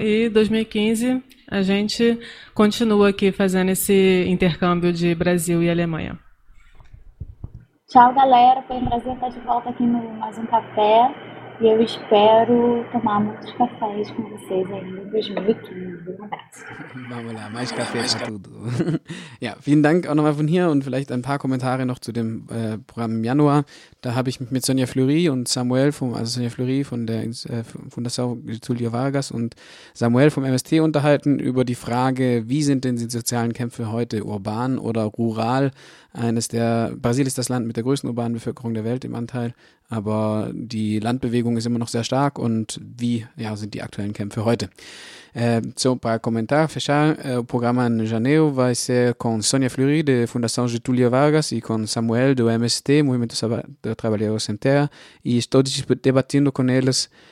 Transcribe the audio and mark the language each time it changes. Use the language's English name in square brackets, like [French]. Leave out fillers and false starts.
[Portuguese] E 2015 a gente continua aqui fazendo esse intercâmbio de Brasil e Alemanha. Tchau, galera. Foi um prazer estar de volta aqui no Mais um Café. E eu espero tomar muitos cafés com vocês aí em 2015. Um abraço. Vamos lá, mais café para tudo. [German] Ja, vielen Dank auch nochmal von hier und vielleicht ein paar Kommentare noch zu dem Programm im Januar. Da habe ich mit Sonja Fleury und Samuel, Sonja Fleury von der Fundação Getúlio Vargas und Samuel vom MST unterhalten über die Frage, wie sind denn die sozialen Kämpfe heute urban oder rural? Brasilien ist das Land mit der größten urbanen Bevölkerung der Welt im Anteil, aber die Landbewegung ist immer noch sehr stark und wie ja, sind die aktuellen Kämpfe heute? [Portuguese] Para comentar, fechar, o programa em janeiro vai ser com Sonia Fleury, de Fundação Getúlio Vargas, e com Samuel, do MST, Movimento Trabalhador Sem Terra, e estou debatendo com eles